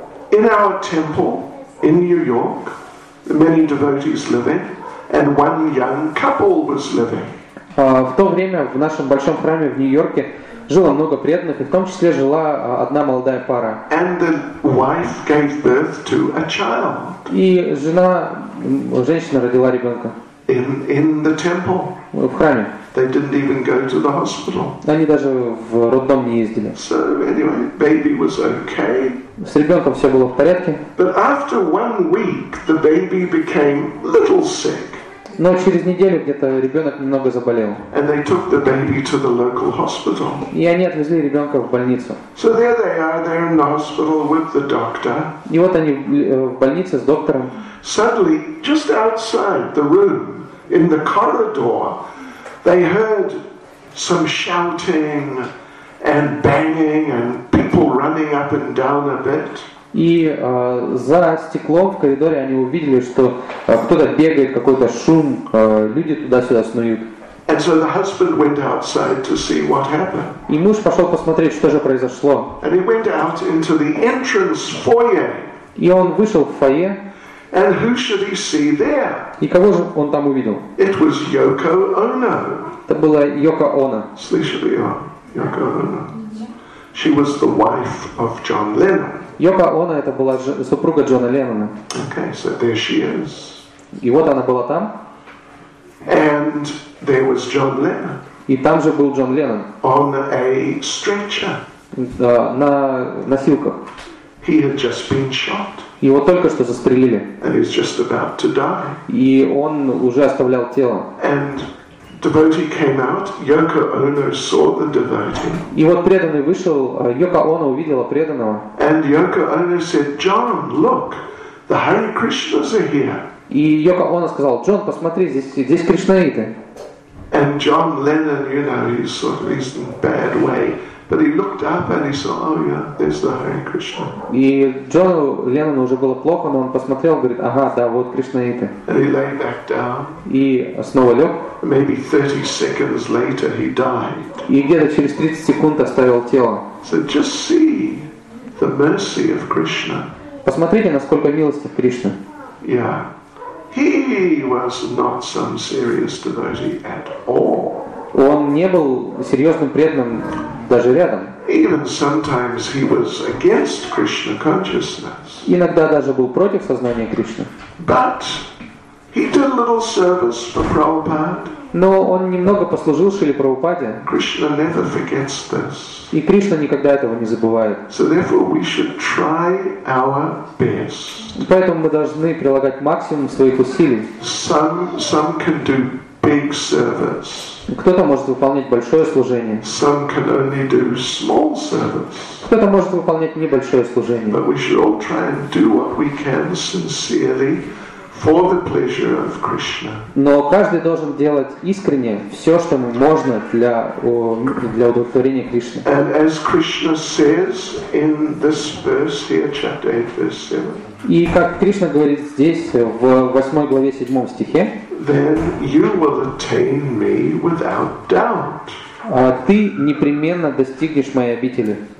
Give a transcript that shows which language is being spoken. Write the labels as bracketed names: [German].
[English] In our temple in New York, many devotees living, and one young couple was living. [Russian] В то время в нашем большом храме в Нью-Йорке жило много преданных, и в том числе жила одна молодая пара. [English] And the wife gave birth to a child. [Russian] И жена, женщина родила ребенка. [English] In the temple. [Russian] В храме. [English] They didn't even go to the hospital. [Russian] Они даже в роддом не ездили. [English] So anyway, baby was okay. [Russian] С ребенком все было в порядке. [English] But after 1 week, the baby became little sick. [Russian] Но через неделю где-то ребенок немного заболел. [English] And they took the baby to the local hospital. [Russian] И они отвезли ребенка в больницу. [English] So there they are, they're in the hospital with the doctor. [Russian] И вот они в больнице с доктором. [English] Suddenly, just outside the room, in the corridor, they heard some shouting and banging and people running up and down a bit. [Russian] И за стеклом в коридоре они увидели, что кто-то бегает, какой-то шум, люди туда-сюда снуют. [English] And so the husband went outside to see what happened. [Russian] И муж пошел посмотреть, что же произошло. [English] And he went out into the entrance foyer. [Russian] И он вышел в фойе. [English] And who should he see there? [Russian] И кого же он там увидел? [English] It was Yoko Ono. [Russian] Это была Йоко Оно. Слышали ее? [English] Йоко Оно. She was the wife of John Lennon. [Russian] Йоко Оно — это была супруга Джона Леннона. [English] Okay, so there she is. [Russian] И вот она была там. [English] And there was John Lennon. [Russian] И там же был Джон Леннон. [English] On a stretcher. [Russian] На носилках. [English] He had just been shot. [Russian] Его только что застрелили. [English] And he's just about to die. [Russian] И он уже оставлял тело. [English] And devotee came out. Yoko Ono saw the devotee. [Russian] И вот преданный вышел. Йоко Оно увидела преданного. [English] And Yoko Ono said, "John, look, the Hare Krishnas are here." [Russian] И Йоко Оно сказал: "Джон, посмотри, здесь Кришнаиты." [English] And John Lennon, you know, he's sort of in a bad way. But he looked up and he saw, oh yeah, there's the Hare Krishna. [Russian] И Джону Леннону уже было плохо, но он посмотрел, говорит, ага, да, вот Кришнаиты. [English] And he lay back down. [Russian] И снова лег. [English] Maybe 30 seconds later he died. [Russian] И где-то через 30 секунд оставил тело. [English] So just see the mercy of Krishna. [Russian] Посмотрите, насколько милостив Кришна. [English] Yeah. He was not some serious devotee at all. [Russian] Он не был серьезным преданным даже рядом. [English] Even sometimes he was against Krishna consciousness. [Russian] Иногда даже был против сознания Кришны. [English] But he did a little service for Prabhupada. [Russian] Но он немного послужил Шриле Прабхупаде. [English] Krishna never forgets this. [Russian] И Кришна никогда этого не забывает. [English] So therefore we should try our best. [Russian] Поэтому мы должны прилагать максимум своих усилий. [English] Some can do big service. [Russian] Кто-то может выполнять большое служение. [English] Some can only do small service. [Russian] Кто-то может выполнять небольшое служение. [English] But we should all try and do what we can sincerely for the pleasure of Krishna. [Russian] Но каждый должен делать искренне все, что ему можно для удовлетворения Кришны. [English] And as Krishna says in this verse here, chapter 8, verse 7. [Russian] И как Кришна говорит здесь, в 8 главе 7 стихе, [English] then you will attain me without doubt. [Russian] А ты непременно достигнешь моей обители.